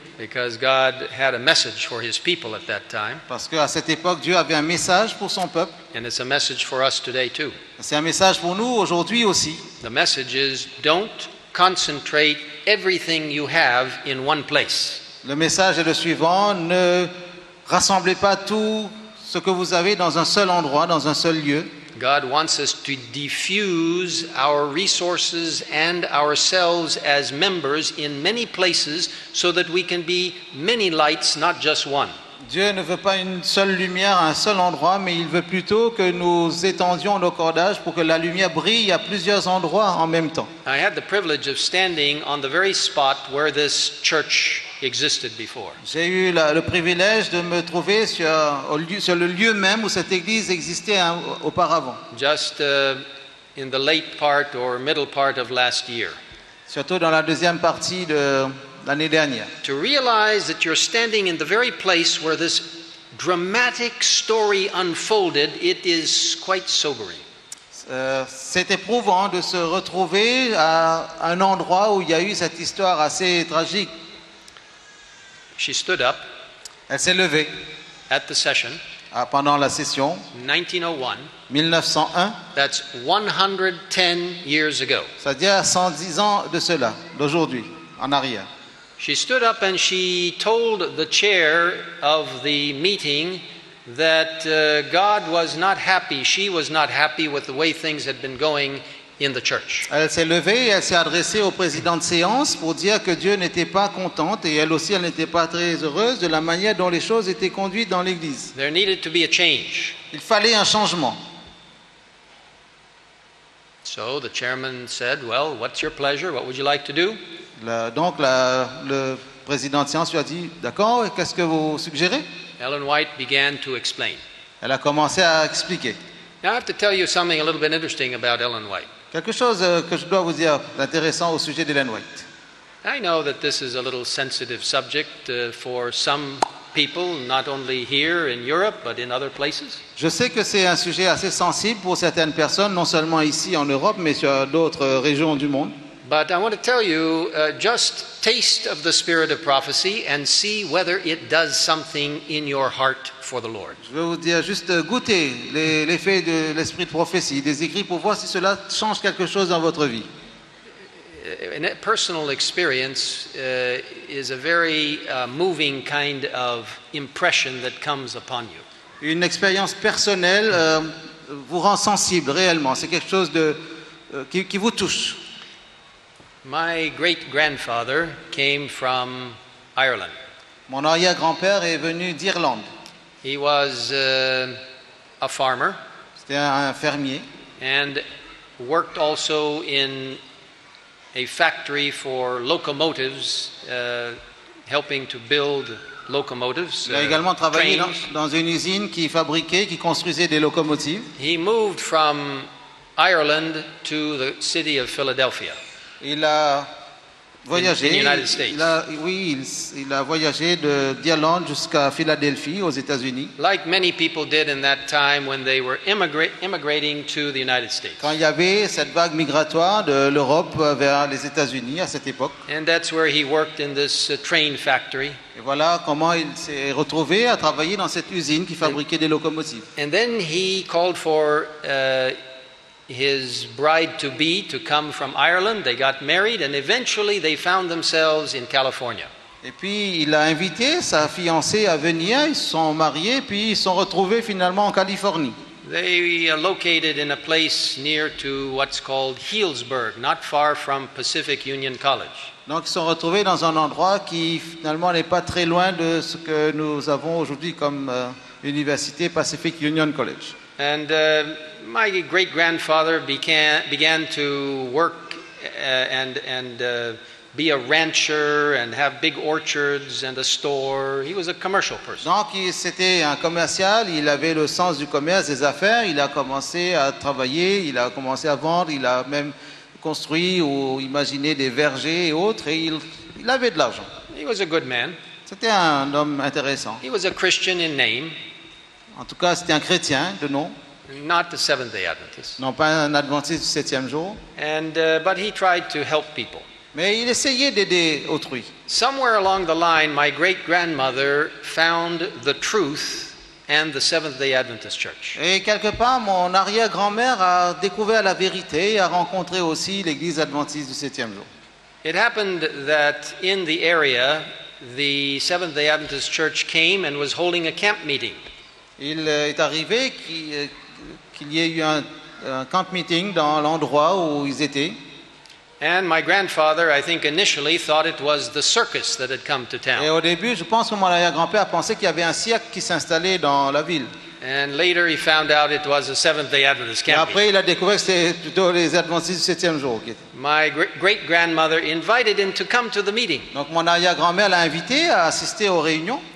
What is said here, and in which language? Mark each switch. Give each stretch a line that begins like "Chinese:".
English: Because God had a message for his people at that time.
French: Parce qu'à cette époque, Dieu avait un message pour son peuple.
English: And it's a message for us today too.
French: C'est un message pour nous aujourd'hui aussi.
English: The message is, don't concentrate everything you have in one place.
French: Le message est le suivant. Ne rassemblez pas tout ce que vous avez dans un seul endroit, dans un seul lieu.
English: God wants us to diffuse our resources and ourselves as members in many places so that we can be many lights, not just one.
French: Dieu ne veut pas une seule lumière à un seul endroit, mais il veut plutôt que nous étendions nos cordages pour que la lumière brille à plusieurs endroits en même temps.
English: I had the privilege of standing on the very spot where this church existed before.
French: J'ai eu le privilège de me trouver sur le lieu même où cette église existait auparavant.
English: Just in the late part or middle part of last year.
French: Surtout dans la deuxième partie de l'année dernière.
English: To realize that you're standing in the very place where this dramatic story unfolded, it is quite sobering.
French: C'est éprouvant de se retrouver à un endroit où il y a eu cette histoire assez tragique.
English: She stood up.
French: Elle s'est levée.
English: At the session.
French: Pendant la session.
English: 1901.
French: 1901.
English: That's 110 years ago.
French: C'est-à-dire 110 ans de cela, d'aujourd'hui, en arrière.
English: She stood up and she told the chair of the meeting that God was not happy. She was not happy with the way things had been going in the church.
French: Elle s'est levée et elle s'est adressée au président de séance pour dire que Dieu n'était pas contente et elle aussi elle n'était pas très heureuse de la manière dont les choses étaient conduites dans l'église.
English: There needed to be a change.
French: Il fallait un changement.
English: So the chairman said, "Well, what's your pleasure? What would you like to do?"
French: Le président de séance lui a dit, "D'accord, qu'est-ce que vous suggérez?"
English: Ellen White began to explain.
French: Elle a commencé à expliquer.
English: Now I have to tell you something a little bit interesting about Ellen White.
French: Quelque chose que je dois vous dire d'intéressant au sujet d'Ellen White.
English: I know that this is a little sensitive subject for some people, not only here in Europe, but in other places.
French: Je sais que c'est un sujet assez sensible pour certaines personnes, non seulement ici en Europe, mais sur d'autres régions du monde.
English: But I want to tell you, just taste of the spirit of prophecy and see whether it does something in your heart for the Lord.
French: Je vais vous dire juste goûter l'effet de l'esprit de prophétie, des écrits, pour voir si cela change quelque chose dans votre vie.
English: A personal experience is a very moving kind of impression that comes upon you.
French: Une expérience personnelle vous rend sensible réellement. C'est quelque chose de qui vous touche.
English: My great-grandfather came from Ireland.
French: Mon arrière-grand-père est venu d'Irlande.
English: He was a farmer.
French: C'était un fermier.
English: And worked also in a factory for locomotives, helping to build locomotives.
French: Il a également travaillé dans une usine qui fabriquait, qui construisait des locomotives.
English: He moved from Ireland to the city of Philadelphia.
French: Il a voyagé. Il a voyagé d'Irlande jusqu'à Philadelphie, aux États-Unis.
English: Like many people did in that time when they were immigrating to the United States.
French: Quand il y avait cette vague migratoire de l'Europe vers les États-Unis à cette époque.
English: And that's where he worked in this train factory.
French: Et voilà comment il s'est retrouvé à travailler dans cette usine qui fabriquait des locomotives.
English: And then he called for his bride-to-be to come from Ireland. They got married and eventually they found themselves in California.
French: Et puis il a invité sa fiancée à venir, ils sont mariés, puis ils sont retrouvés finalement en Californie.
English: They are located in a place near to what's called Healdsburg, not far from Pacific Union College.
French: Donc ils sont retrouvés dans un endroit qui finalement n'est pas très loin de ce que nous avons aujourd'hui comme université Pacific Union College.
English: And my great-grandfather began to work and be a rancher and have big orchards and a store. He was a commercial person.
French: Donc c'était un commercial. Il avait le sens du commerce, des affaires. Il a commencé à travailler. Il a commencé à vendre. Il a même construit ou imaginé des vergers et autres. Et il avait de l'argent.
English: He was a good man.
French: C'était un homme intéressant.
English: He was a Christian in name.
French: En tout cas, c'était un chrétien de nom.
English: Not the Seventh-day Adventist.
French: Non, pas un adventiste du septième jour.
English: And but he tried to help people.
French: Mais il essayait d'aider autrui.
English: Somewhere along the line, my great-grandmother found the truth and the Seventh-day Adventist Church.
French: Et quelque part, mon arrière-grand-mère a découvert la vérité et a rencontré aussi l'Église adventiste du septième jour.
English: It happened that in the area, the Seventh-day Adventist Church came and was holding a camp meeting.
French: Il est arrivé qu'il y ait eu un camp meeting dans l'endroit où ils étaient.
English: And my grandfather, I think, initially thought it was the circus that had come to town.
French: Et au début, je pense que mon arrière-grand-père pensait qu'il y avait un cirque qui s'installait dans la ville.
English: And later, he found out it was a Seventh-day Adventist camp.
French: Et après, il a découvert que c'était plutôt les Adventistes du septième jour.
English: My great-grandmother invited him to come to the meeting.
French: Donc, mon arrière-grand-mère l'a invité à assister aux réunions.